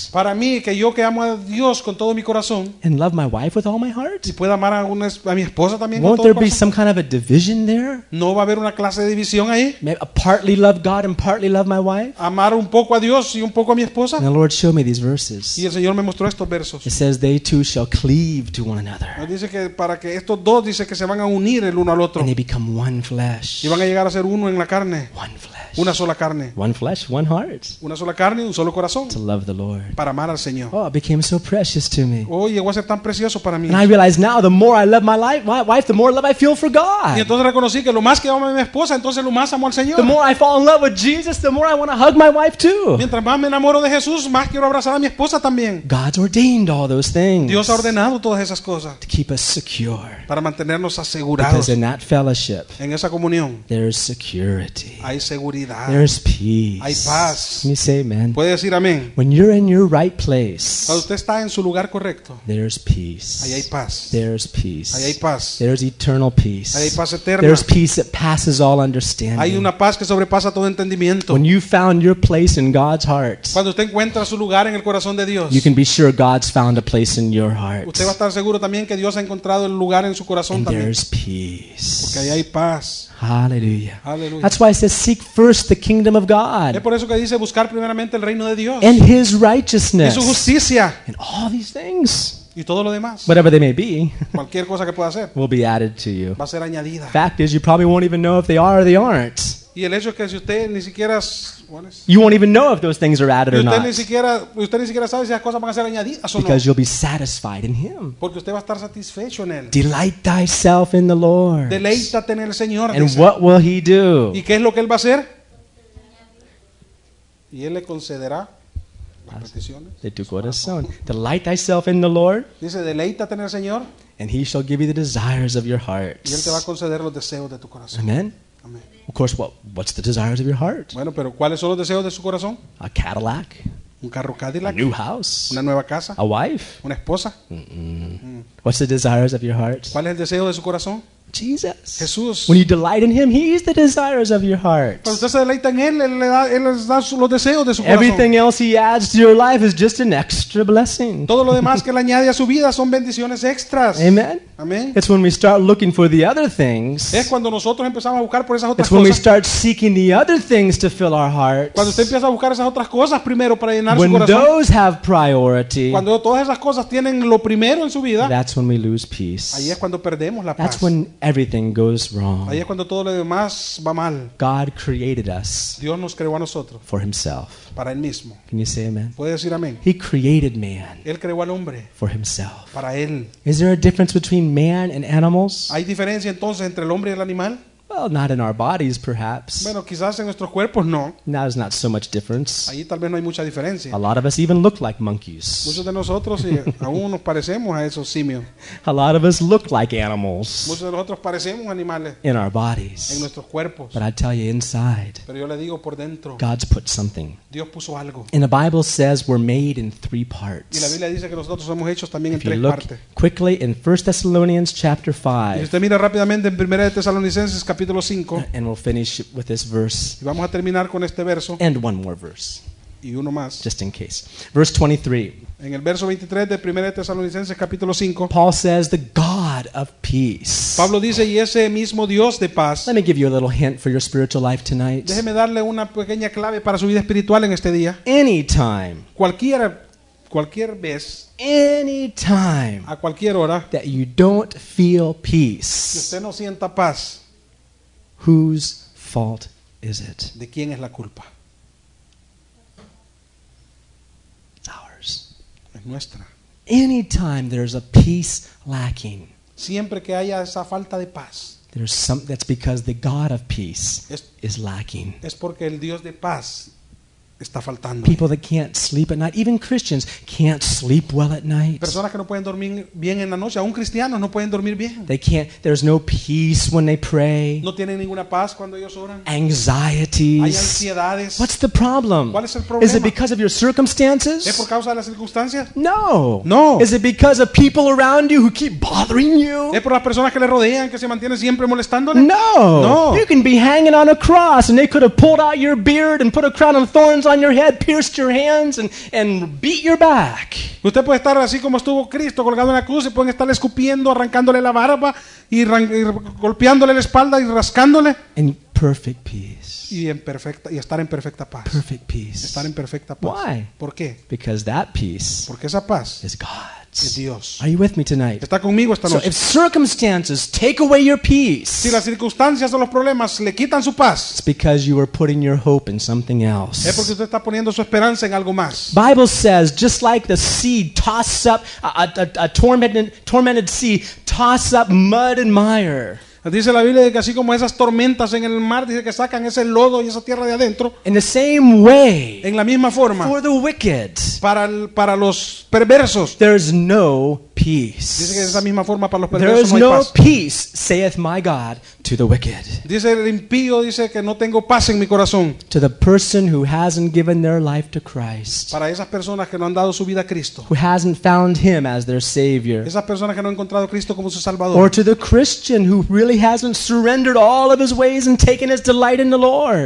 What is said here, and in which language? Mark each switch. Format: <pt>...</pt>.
<es>Para mí que yo que amo a Dios con todo mi corazón,</es> <en>and love my wife with all my heart?</en> <es>Y pueda amar a mi esposa también.</es> <en>Won't there be some kind of a division there?</en> <es>¿No va a haber una clase de división ahí?</es> <en>Partly love God and partly love my wife?</en> <es>Amar un poco a Dios y un poco a mi esposa?</es> <en>And the Lord showed me these verses.</en> <es>Y el Señor me mostró estos versos.</es> <en>It says they two shall cleave to one another.</en> <es>Dice que para que estos dos dice que se van a unir el uno al otro.</es> <en>And they become one flesh.</en> <es>Y van a llegar a ser uno en la carne.</es> <en>One flesh.</en> <es>Una sola carne.</es> <en>One flesh, one heart.</en> <es>Una sola carne, un solo corazón.</es> <en>To love the Lord.</en> <es>Para amar al Señor.</es> <en>Oh, it became so precious to me.</en> <es>Oh, llegó a ser tan precioso para mí.</es> <en>And I realize now, the more I love my wife, the more love I feel for God.</en> <es>Y entonces reconocí que lo más que amo a mi esposa, entonces lo más amo al Señor.</es> <en>The more I fall in love with Jesus, the more I want to hug my wife too.</en> <es>Mientras más me enamoro de Jesús, más quiero abrazar a mi esposa también.</es> <en>God's ordained all those things.</en> <es>Dios ha ordenado todas esas cosas.</es> <en>To keep us secure.</en> <es>Para mantenernos asegurados.</es> <en>Because in that fellowship,</en> <es>en esa comunión,</es> <en>there's security.</en> <es>Hay seguridad.</es> <en>There's peace.</en> <es>Hay paz.</es> <en>Can you say amen?</en> <es>¿Puede decir amén?</es> <en>When you're in your right place,</en> <es>cuando usted está en su lugar correcto,</es> <en>there's peace.</en> <es>Ahí hay paz.</es> <en>There's peace.</en> <es>Ahí hay paz.</es> <en>There's eternal peace.</en> <es>Ahí hay paz eterna.</es> <en>There's peace that passes all understanding.</en> <es>Hay una paz que sobrepasa todo entendimiento.</es> <en>When you found your place in God's heart,</en> <es>cuando usted encuentra su lugar en el corazón de Dios,</es> <en>you can be sure God's found a place in your heart.</en> <es>Usted va a estar seguro también que Dios ha encontrado el lugar en su corazón</es> <en>and</en> <es>también.</es> <en>There's peace.</en> <es>Porque ahí hay paz. Hallelujah. Hallelujah.</es> <en>That's why it says seek first the kingdom of God.</en> <es>Es por eso que dice buscar primeramente el reino de Dios.</es> <en>And his righteousness.</en> <es>Y su justicia.</es> <en>And all these things.</en> <es>Y todo lo demás.</es> <en>Whatever they may be.</en> <es>Cualquier cosa que pueda ser.</es> <en>Will be added to you.</en> <es>Va a ser añadida.</es> <en>Fact is, you probably won't even know if they are or they aren't.</en> <es>Y el hecho es que si usted ni siquiera</es> <en>you won't even know if those things are added or not.</en> <es>Usted ni siquiera sabe si esas cosas van a ser añadidas o no.</es> <en>Because you'll be satisfied in Him.</en> <es>Porque usted va a estar satisfecho en él.</es> <en>Delight thyself in the Lord.</en> <es>Deleítate en el Señor.</es> <en>And what will He do?</en> <es>¿Y qué es lo que él va a hacer? Y él le concederá las peticiones de tu corazón.</es> <en>Delight thyself in the Lord.</en> <es>Dice, deleítate en el Señor.</es> <en>And he shall give you the desires of your heart.</en> <es>Y él te va a conceder los deseos de tu corazón. Amen. Amen.</es> <en>Of course, what's the desires of your heart?</en> <es>Bueno, pero ¿cuáles son los deseos de su corazón?</es> <en>A Cadillac.</en> <es>Un carro Cadillac.</es> <en>A new house.</en> <es>Una nueva casa.</es> <en>A wife.</en> <es>Una esposa.</es> <en>What's the desires of your heart?</en> <es>¿Cuál es el deseo de su corazón?</es> <en>Jesus.</en> <es>Jesús.</es> <en>When you delight in him, he is the desires of your heart.</en> <es>Cuando usted se deleita en él, él les da los deseos de su corazón.</es> <en>Everything else he adds to your life is just an extra blessing.</en> <es>Todo lo demás que le añade a su vida son bendiciones extras. Amen. Amen.</es> <en>It's when we start looking for the other things.</en> <es>Es cuando nosotros empezamos a buscar por esas otras cosas.</es> <en>It's when we start seeking the other things to fill our hearts.</en> <es>Cuando usted empieza a buscar esas otras cosas primero para llenar</es> <en>when</en> <es>su corazón.</es> <en>When those have priority.</en> <es>Cuando todas esas cosas tienen lo primero en su vida.</es> <en>That's when we lose peace.</en> <es>Ahí es cuando perdemos la paz.</es> <en>That's when everything goes wrong.</en> <es>Ahí es cuando todo lo demás va mal.</es> <en>God created us.</en> <es>Dios nos creó a nosotros.</es> <en>For himself.</en> <es>Para él mismo.</es> <en>Can you say amen?</en> <es>¿Puedes decir amén?</es> <en>He created man.</en> <es>Él creó al hombre.</es> <en>For himself.</en> <es>Para él.</es> <en>Is there a difference between man and animals?</en> <es>¿Hay diferencia entonces entre el hombre y el animal?</es> <en>Well, not in our bodies, perhaps.</en> <es>Bueno, quizás en nuestros cuerpos no.</es> <en>Now is not so much difference.</en> <es>Ahí tal vez no hay mucha diferencia.</es> <en>A lot of us even look like monkeys.</en> <es>Muchos de nosotros aún nos parecemos a esos simios.</es> <en>A lot of us look like animals.</en> <es>Muchos de nosotros parecemos animales.</es> <en>In our bodies.</en> <es>En nuestros cuerpos.</es> <en>But I tell you, inside.</en> <es>Pero yo le digo por dentro.</es> <en>God's put something.</en> <es>Dios puso algo.</es> <en>And the Bible says we're made in three parts.</en> <es>Y la Biblia dice que nosotros somos hechos también</es> <en>if</en> <es>en tres</es> <en>look</en> <es>partes.</es> <en>If you look quickly in 1 Thessalonians chapter 5.</en> <es>Y usted mira rápidamente en 1 Tesalonicenses capítulo 5,</es> <en>and we'll finish with this verse.</en> <es>Y vamos a terminar con este verso.</es> <en>And one more verse.</en> <es>Y uno más.</es> <en>Just in case. Verse 23.</en> <es>En el verso 23 de 1 Tesalonicenses capítulo 5.</es> <en>Paul says the God of peace.</en> <es>Pablo dice, y ese mismo Dios de paz.</es> <en>Let me give you a little hint for your spiritual life tonight.</en> <es>Déjeme darle una pequeña clave para su vida espiritual en este día.</es> <en>Anytime.</en> <es>Cualquier vez.</es> <en>Anytime.</en> <es>A cualquier hora.</es> <en>That you don't feel peace.</en> <es>Que usted no sienta paz.</es> <en>Whose fault is it?</en> <es>¿De quién es la culpa?</es> <en>It's ours.</en> <es>Es nuestra.</es> <en>Anytime there's a peace lacking.</en> <es>Siempre que haya esa falta de paz.</es> <en>There's something that's because the God of peace is lacking.</en> <es>Es porque el Dios de paz está faltando.</es> <en>People that can't sleep at night, even Christians can't sleep well at night.</en> <es>Personas que no pueden dormir bien en la noche, aún cristianos no pueden dormir bien.</es> <en>They can't. There's no peace when they pray.</en> <es>No tienen ninguna paz cuando ellos oran.</es> <en>Anxieties.</en> <es>Hay ansiedades.</es> <en>What's the problem?</en> <es>¿Cuál es el problema?</es> <en>Is it because of your circumstances?</en> <es>¿Es por causa de las circunstancias?</es> <en>No.</en> <es>No.</es> <en>Is it because of people around you who keep bothering you?</en> <es>¿Es por las personas que le rodean que se mantienen siempre molestándole?</es> <en>No.</en> <es>No.</es> <en>You can be hanging on a cross and they could have pulled out your beard and put a crown of thorns on your head, pierced your hands and beat your back.</en> <es>Usted puede estar así como estuvo Cristo colgado en la cruz y pueden estar escupiendo, arrancándole la barba y golpeándole la espalda y rascándole.</es> <en>In perfect peace.</en> <es>Y estar en perfecta paz.</es> <en>Perfect peace.</en> <es>Estar en perfecta paz.</es> <en>Why?</en> <es>¿Por qué?</es> <en>Because that peace.</en> <es>Porque esa paz.</es> <en>Is God.</en> <es>Dios.</es> <en>Are you with me tonight?</en> <es>¿Está conmigo esta noche?</es> <en>So if circumstances take away your peace,</en> <es>si las circunstancias o los problemas le quitan su paz,</es> <en>it's because you are putting your hope in something else.</en> <es>Es porque usted está poniendo su esperanza en algo más.</es> <en>Bible says, just like the seed tosses up a tormented sea, toss up mud and mire.</en> <es>Dice la Biblia que así como esas tormentas en el mar, dice que sacan ese lodo y esa tierra de adentro.</es> <en>In the same way,</en> <es>en la misma forma.</es> <en>For the wicked,</en> <es>para los perversos.</es> <en>There is no peace.</en> <es>Dice que es esa misma forma para los perversos.</es> <en>There is</en> <es>no hay paz.</es> <en>Peace, saith my God, to the wicked.</en> <es>Dice el impío, dice que no tengo paz en mi corazón.</es> <en>To the person who hasn't given their life to Christ.</en> <es>Para esas personas que no han dado su vida a Cristo.</es> <en>Who hasn't found him as their savior.</en> <es>Esas personas que no han encontrado a Cristo como su salvador.</es> <en>Or to the Christian who really hasn't surrendered all of his ways and taken his delight in the Lord.</en>